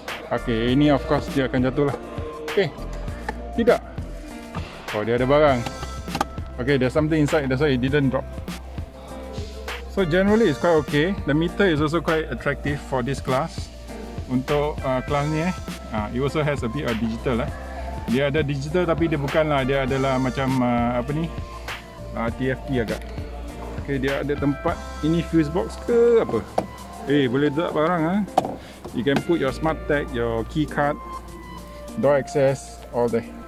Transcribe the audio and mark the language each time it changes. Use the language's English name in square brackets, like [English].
[Malay] Okay, ini of course dia akan jatuh lah. Okay, tidak. Oh, dia ada barang. [English] Okay, there's something inside, that's why it didn't drop. So generally it's quite okay. The meter is also quite attractive for this class. [Malay] Untuk class ni eh, [English] it also has a bit of digital lah. [Malay] Dia ada digital tapi dia bukan lah, dia adalah macam apa ni, TFT agak. Okay, dia ada tempat, ini fuse box ke apa? Eh, boleh letak barang ah. [English] You can put your smart tag, your key card, door access, all that.